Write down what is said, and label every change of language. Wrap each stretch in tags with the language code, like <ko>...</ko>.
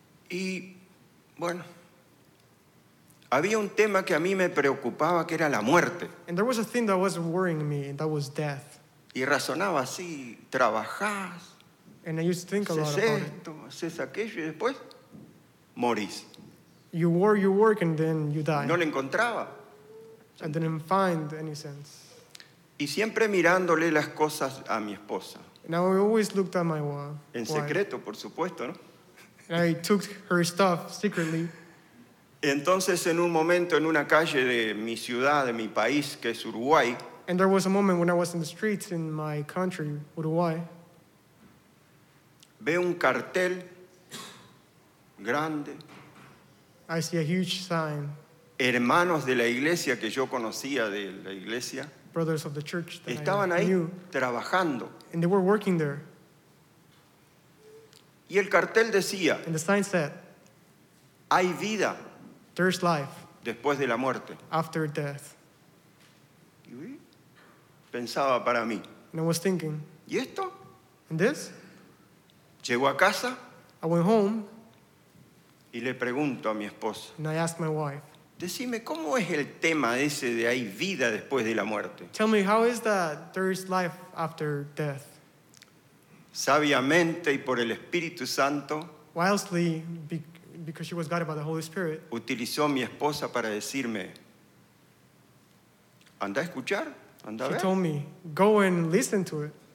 <es>Y bueno, había un tema que a mí me preocupaba, que era la muerte.</es> <en>And there was a thing that was worrying me, and that was death.</en> <es>Y razonaba así, trabajás.</es> <en>And I used to think a lot about</en> <es>esto,</es> <en>it.</en> <es>Haces aquello y después morís.</es> <en>You work, and then you die.</en> <es>No le encontraba.</es> <en>I didn't find any sense.</en> <es>Y siempre mirándole las cosas a mi esposa.</es> <en>And I always looked at my wife.</en> <es>En secreto, por supuesto, ¿no?</es> <en>And I took her stuff secretly.</en> <es>Entonces, en un momento, en una calle de mi ciudad, de mi país, que es Uruguay.</es> <en>And there was a moment when I was in the streets in my country, Uruguay.</en> <es>Veo un cartel grande.</es> <en>I see a huge sign.</en> <es>Hermanos de la iglesia que yo conocía de la iglesia.</es> <en>Brothers of the church that</en> <es>estaban</es> <en>I</en> <es>ahí</es> <en>knew,</en> <es>trabajando.</es> <en>And they were working there.</en> <es>Y Y el cartel decía,</es> <en>and the sign said,</en> <es>hay vida.</es> <en>There's life.</en> <es>Después de la muerte.</es> <en>After death.</en> <es>Y pensaba para mí.</es> <en>And I was thinking.</en> <es>¿Y esto?</es> <en>And this?</en> <es>Llego a casa.</es> <en>I went home.</en> <es>Y le pregunto a mi esposa.</es> <en>And I asked my wife.</en> <es>Decime, ¿cómo es el tema ese de hay vida después de la muerte?</es> <en>Tell me, how is that there is life after death?</en> <es>Sabiamente y por el Espíritu Santo.</es> <en>Wisely, because she was guided by the Holy Spirit.</en> <es>Utilizó mi esposa para decirme, anda a escuchar, anda a ver.</es> <en>She told me, go and listen to it.</en>